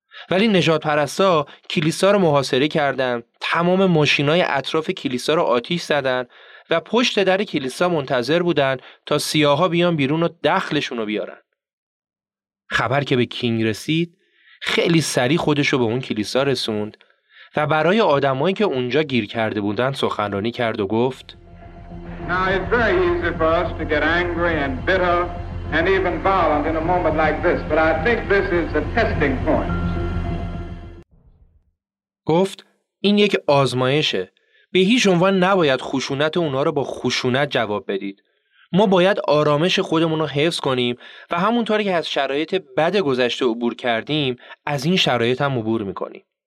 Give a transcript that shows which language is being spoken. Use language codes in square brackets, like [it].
[fa] ولی نژادپرستا کلیسا رو محاصره کردن، تمام ماشینای اطراف کلیسا رو آتیش زدن و پشت در کلیسا منتظر بودن تا سیاه‌ها بیان بیرون و دخلشون رو بیارن. خبر که به کینگ رسید خیلی سریع خودشو به اون کلیسا رسوند و برای آدمایی که اونجا گیر کرده بودن سخنرانی کرد و گفت: [en] Now it's very easy for us to get angry and bitter and even violent in a moment like this, but I think this is a testing point. [fa] گفت این یک آزمایشه. به هیچ عنوان نباید خشونت اونا رو با خشونت جواب بدید. ما باید آرامش خودمون رو حفظ کنیم و همونطوری که از شرایط بد گذشته عبور کردیم از این شرایط هم عبور میکنیم.